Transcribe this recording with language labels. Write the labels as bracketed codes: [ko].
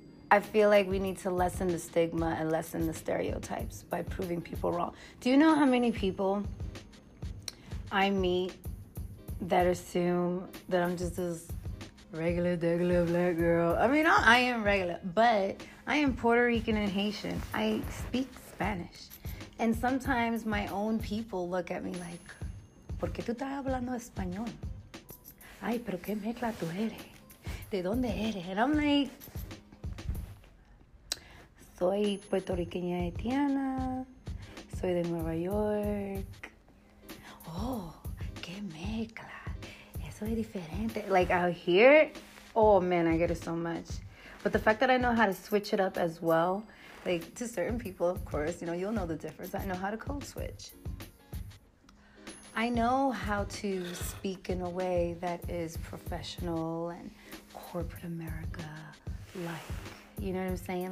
[en] I feel like we need to lessen the stigma and lessen the stereotypes by proving people wrong. Do you know how many people I meet that assume that I'm just this regular, degular black girl? I mean, I am regular, but I am Puerto Rican and Haitian. I speak Spanish. And sometimes my own people look at me like, [es] ¿Por qué tú estás hablando español? Ay, pero qué mezcla tú eres? ¿De dónde eres? [en] And I'm like, [es] soy puertorriqueña haitiana, soy de Nueva York. Oh, qué mezcla, eso es diferente. [en] Like out here, oh man, I get it so much. But the fact that I know how to switch it up as well, like to certain people, of course, you know, you'll know the difference. I know how to code switch. I know how to speak in a way that is professional and corporate America-like. You know what I'm saying?